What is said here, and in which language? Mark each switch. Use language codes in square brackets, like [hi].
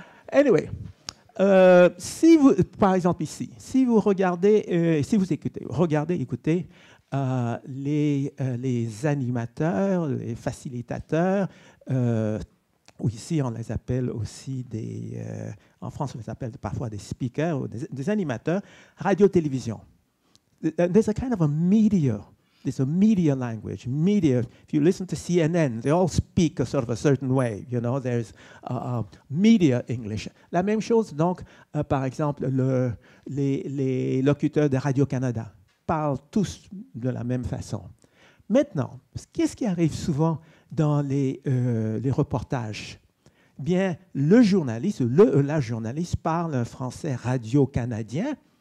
[fr] Anyway, si vous, par exemple ici, si vous regardez, si vous écoutez, écoutez les animateurs, les facilitateurs, ou ici on les appelle aussi des, en France on les appelle parfois des speakers ou des animateurs, radio-télévision. [en] There's a kind of a media. There's a media language. Media. If you listen to CNN, they all speak a sort of a certain way. You know, there's media English. [fr] La même chose donc, par exemple, les locuteurs de Radio-Canada parlent tous de la même façon. Maintenant, qu'est-ce qui arrive souvent dans les reportages? Bien, le journaliste ou la journaliste parle un français radio-canadien.